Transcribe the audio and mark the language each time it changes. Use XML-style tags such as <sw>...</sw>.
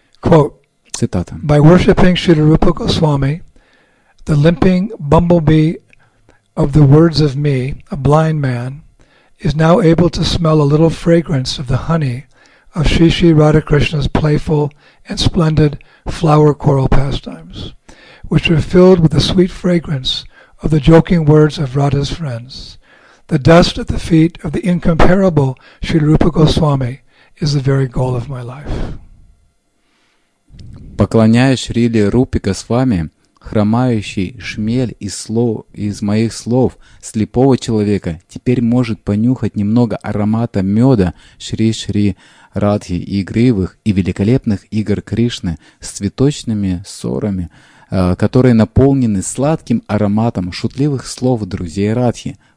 <en>Quote,</en> <ru>цитата.</ru> <en>By worshipping Shri Rupa Goswami, the limping bumblebee of the words of me, a blind man, is now able to smell a little fragrance of the honey of Sri Sri Radhakrishna's playful and splendid flower choral pastimes, which are filled with the sweet fragrance of the joking words of Radha's friends. The dust at the feet of the incomparable Sri Rupa Goswami is the very goal of my life.</en> <ru>Поклоняясь Шриле Рупе Госвами, хромающий шмель из моих слов слепого человека теперь может понюхать немного аромата меда Шри Шри Радхи Игривых и великолепных игр Кришны с цветочными сорами, которые наполнены сладким ароматом шутливых слов друзей Радхи.</ru>